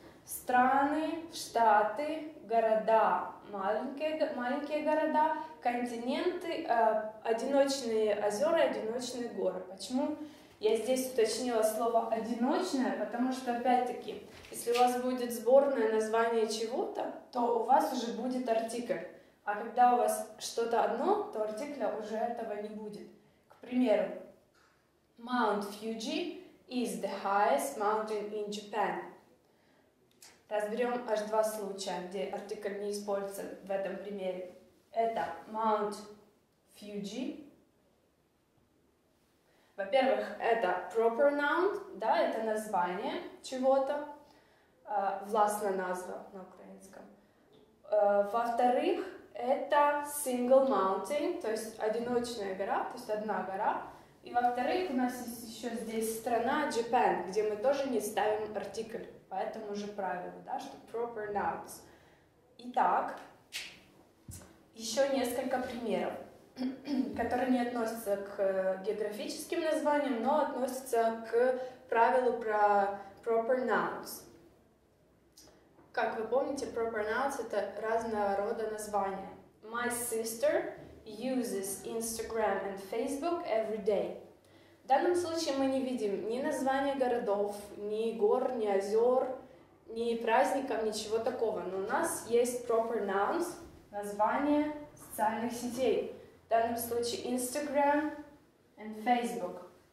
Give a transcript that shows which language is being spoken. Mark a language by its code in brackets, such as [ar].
[ru] Страны, штаты, города, маленькие города, континенты, одиночные озера, одиночные горы. Почему я здесь уточнила слово «одиночное»? Потому что, опять-таки, если у вас будет сборное название чего-то, то у вас уже будет артикль. А когда у вас что-то одно, то артикля уже этого не будет. К примеру, [en] Mount Fuji is the highest mountain in Japan. [ru] Разберем аж два случая, где артикль не используется в этом примере. Это Mount Fuji. Во-первых, это proper noun, да, это название чего-то, властная назва на украинском. Во-вторых, это single mountain, то есть одиночная гора, то есть одна гора. И во-вторых, у нас есть еще здесь страна Japan, где мы тоже не ставим артикль. Поэтому же правило, да, что proper nouns. Итак, еще несколько примеров, которые не относятся к географическим названиям, но относятся к правилу про proper nouns. Как вы помните, proper nouns — это разного рода названия. [en] My sister uses Instagram and Facebook every day. [ru] В данном случае мы не видим ни названия городов, ни гор, ни озер, ни праздников, ничего такого. Но у нас есть proper nouns, название социальных сетей. В данном случае Instagram and Facebook.